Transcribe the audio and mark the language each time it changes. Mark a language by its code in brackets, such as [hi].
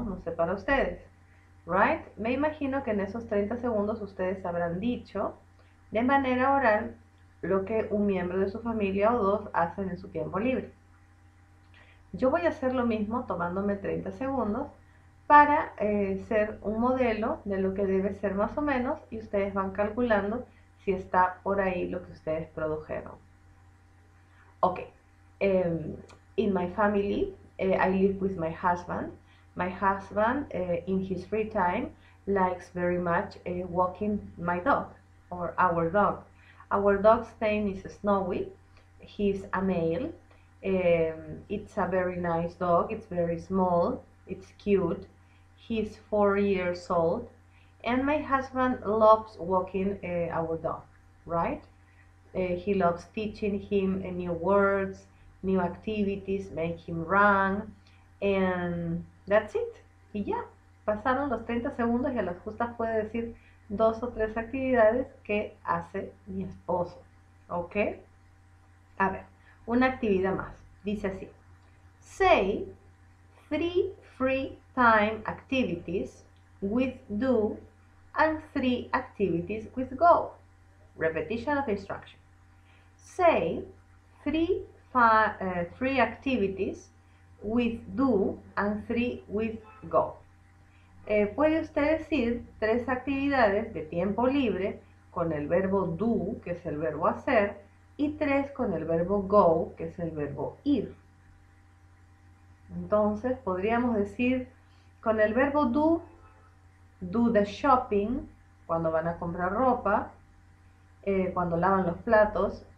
[es] No sé para ustedes, [en] ¿right? [es] Me imagino que en esos 30 segundos ustedes habrán dicho de manera oral lo que un miembro de su familia o dos hacen en su tiempo libre. Yo voy a hacer lo mismo tomándome 30 segundos para ser un modelo de lo que debe ser más o menos y ustedes van calculando si está por ahí lo que ustedes produjeron. [en] Ok, in my family, I live with my husband. My husband, in his free time, likes very much walking my dog, or our dog. Our dog's name is Snowy. He's a male. It's a very nice dog. It's very small. It's cute. He's 4 years old. And my husband loves walking our dog, right? He loves teaching him new words, new activities, make him run, and that's it. [es] Y ya, pasaron los 30 segundos y a las justas puede decir dos o tres actividades que hace mi esposo, ¿ok? A ver, una actividad más. Dice así. [en] Say three free time activities with do and three activities with go. Repetition of instruction. Say three activities with do and three with go. [es] Puede usted decir tres actividades de tiempo libre con el verbo do, que es el verbo hacer, y tres con el verbo go, que es el verbo ir. Entonces podríamos decir con el verbo do, [en] do the shopping, [es] cuando van a comprar ropa, cuando lavan los platos.